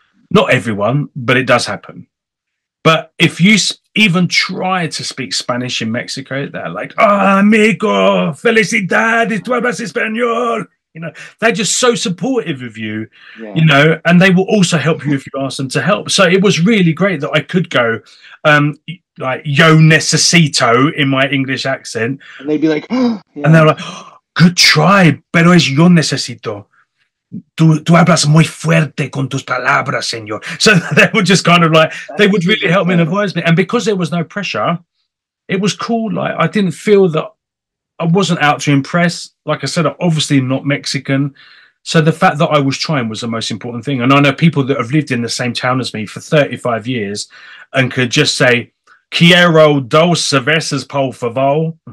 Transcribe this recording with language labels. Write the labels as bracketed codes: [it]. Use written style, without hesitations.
[en] Not everyone, but it does happen. But if you even try to speak Spanish in Mexico, they're like, [es] oh, amigo, felicidades, tu hablas español. [en] You know, they're just so supportive of you, you know, and they will also help you if you ask them to help. So it was really great that I could go, like, [es] yo necesito [en] in my English accent. And they'd be like, and they're like, good try, [es] pero es yo necesito. Tú hablas muy fuerte con tus palabras, señor. [en] So they were just kind of like, they would really help me and advise me. And because there was no pressure, it was cool. Like, I didn't feel that I wasn't out to impress. Like I said, I'm obviously not Mexican. So the fact that I was trying was the most important thing. And I know people that have lived in the same town as me for 35 years and could just say, [es] quiero dos cervezas, por favor.